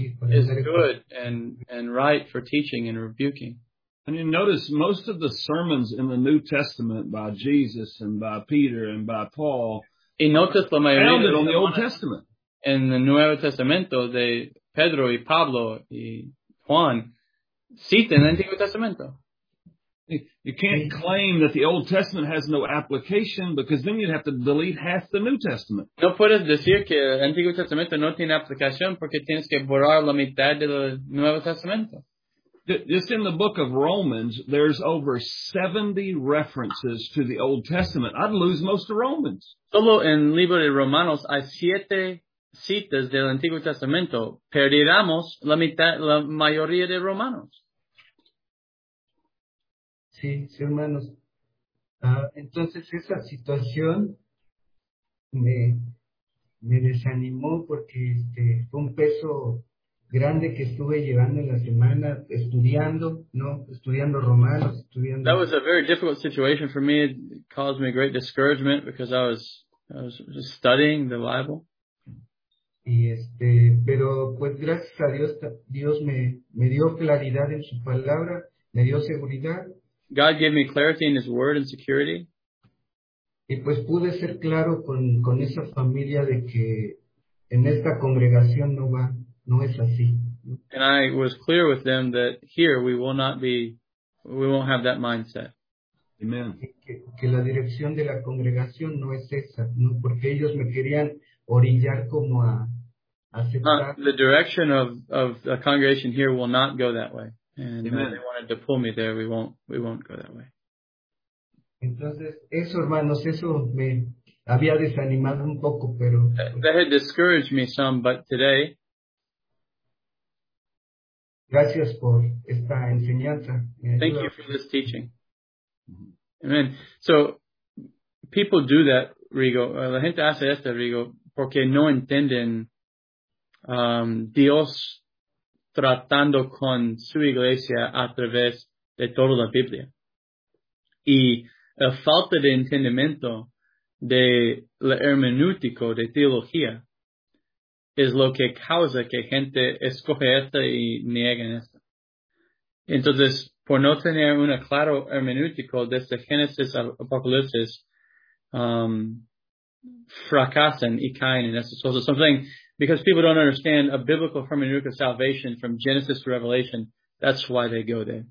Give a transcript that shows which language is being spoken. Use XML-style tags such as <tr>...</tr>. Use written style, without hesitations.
<en>is good and right for teaching and rebuking. And you notice most of the sermons in the New Testament by Jesus and by Peter and by Paul founded on the Old Testament.</en> <es>En el Nuevo Testamento de Pedro y Pablo y Juan, cita en el Antiguo Testamento.</es> <en>You can't claim that the Old Testament has no application because then you'd have to delete half the New Testament.</en> <es>No puedes decir que el Antiguo Testamento no tiene aplicación porque tienes que borrar la mitad del Nuevo Testamento.</es> <en>Just in the book of Romans, there's over 70 references to the Old Testament. I'd lose most of Romans.</en> <es>Solo en el libro de Romanos hay 7 citas del Antiguo Testamento. Perdiéramos la mitad, la mayoría de Romanos. Sí, sí, hermanos. Entonces esa situación me desanimó porque fue un peso grande que estuve llevando en la semana estudiando romanos, estudiando.</es> <en>That was a very difficult situation for me. It caused me great discouragement because I was just studying the Bible.</en> <es>Y pero pues gracias a Dios, Dios me dio claridad en su palabra, me dio seguridad.</es> <en>God gave me clarity in his word and security.</en> <es>Y pues pude ser claro con esa familia de que en esta congregación no va, no es así.</es> <en>And I was clear with them that here we won't have that mindset. Amen.</en> <es>Que la dirección de la congregación no es esa, no, porque ellos me querían orillar como a aceptar.</es> <en>The direction of a congregation here will not go that way. And they wanted to pull me there. We won't go that way.</en> <es>Entonces, eso, hermanos, eso me había desanimado un poco, pero</es> <en>that had discouraged me some, but today.</en> <es>Gracias por esta enseñanza.</es> <en>Thank you for this teaching. Amen. So, people do that, Rigo.</en> <es>La gente hace esto, Rigo, porque no entienden Dios tratando con su iglesia a través de toda la Biblia. Y la falta de entendimiento de la hermenéutico de teología es lo que causa que gente escoge esto y niegue esto. Entonces, por no tener una claro hermenéutico desde Génesis al Apocalipsis, fracasan y caen en esto.</es> <en>So something, because people don't understand a biblical hermeneutic of salvation from Genesis to Revelation, that's why they go there.</en>